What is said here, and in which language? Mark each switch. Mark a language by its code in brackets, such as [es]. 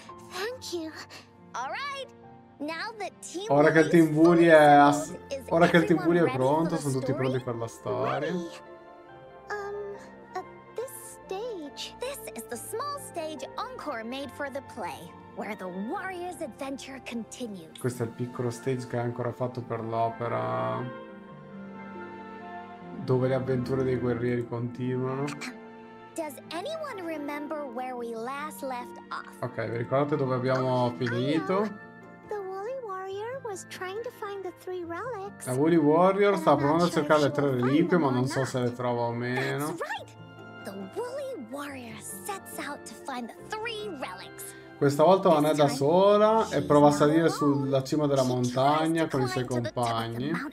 [en] Thank you. All right. Now the team. [it] Ora che il team Woolly è ora che il team Woolly è pronto, sono tutti pronti per la storia. [en] This stage. This is the small stage Encore made for the play. Where the warrior's adventure continues. [it] Questo è il piccolo stage che ha ancora fatto per l'opera. Dove le avventure dei guerrieri continuano. [en] Does anyone remember where we last left off? [it] Ok, vi ricordate dove abbiamo finito? [en] The Woolly Warrior was trying to find the three relics. [it] La Woolly Warrior sta provando a cercare le tre reliquie, ma non so se le trova o meno. [en] The Woolly Warrior sets out to find the three relics. [it] Questa volta non è da sola e prova a salire sulla cima della montagna con i suoi compagni.